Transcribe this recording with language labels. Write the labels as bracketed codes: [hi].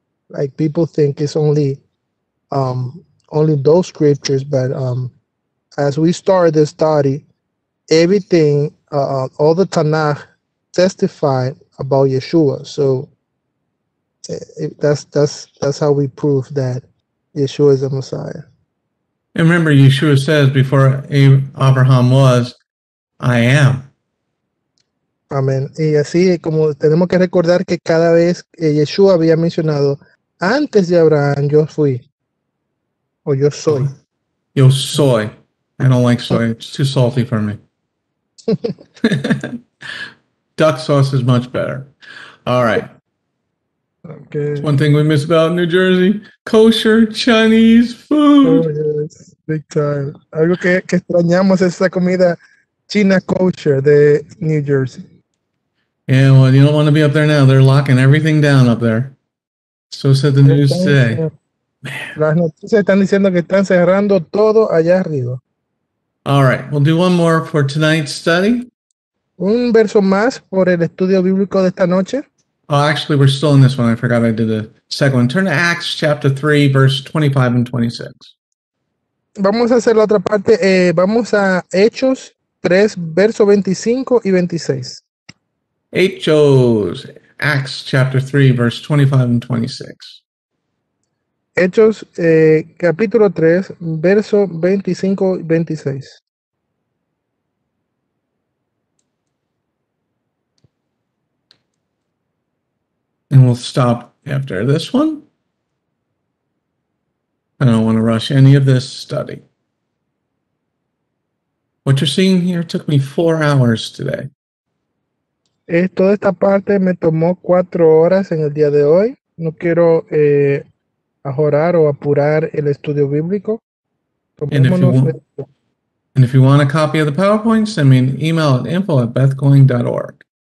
[en] Like, people think it's only those scriptures, but as we start this study, everything, all the Tanakh testify about Yeshua. So that's how we prove that Yeshua is the Messiah. And remember, Yeshua says, before Abraham was, I am. [es] Amén. Y así, como tenemos que recordar que cada vez Yeshua había mencionado, antes de Abraham, yo fui. O yo soy. Yo soy. [en] I don't like soy. It's too salty for me. Duck sauce is much better. All right. Okay. It's one thing we miss about New Jersey. Kosher Chinese food. Oh, yes. Big time. [es] Algo que extrañamos es esa comida china kosher de New Jersey. [en] Yeah, well, you don't want to be up there now. They're locking everything down up there. So said the news today. [es] Las noticias están diciendo que están cerrando todo allá arriba. [en] All right. We'll do one more for tonight's study. [es] Un verso más por el estudio bíblico de esta noche. [en] Oh, actually, we're still in this one. I forgot I did the second one. Turn to Acts chapter 3, verse 25 and 26. [es] Vamos a hacer la otra parte. Vamos a Hechos 3, verso 25 y 26. [en] Hechos, Acts chapter 3, verse 25 and 26. [es] Hechos, capítulo 3, verso 25 y 26. [en] And we'll stop after this one. I don't want to rush any of this study. What you're seeing here took me 4 hours today. [es] Toda esta parte me tomó 4 horas en el día de hoy. No quiero ajorar o apurar el estudio bíblico. Tomémonos esto. [en] And if you want a copy of the PowerPoint, send me an email at info@bethcoin.org.